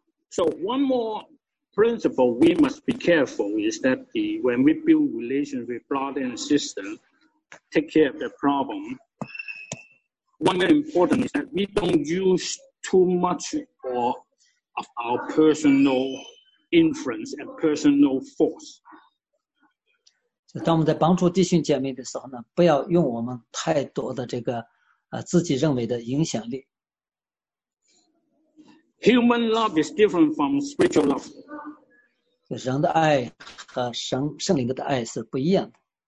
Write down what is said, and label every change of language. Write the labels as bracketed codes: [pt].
[en] So one more principle we must be careful is that when we build relations with brother and sister, take care of the problem. One very important is that we don't use too much of our personal influence and personal force. [zh] 当我们在帮助弟兄姐妹的时候呢，不要用我们太多的这个自己认为的影响力。 [en] Human love is different from spiritual love. [zh] 人的爱和圣灵的爱是不一样的。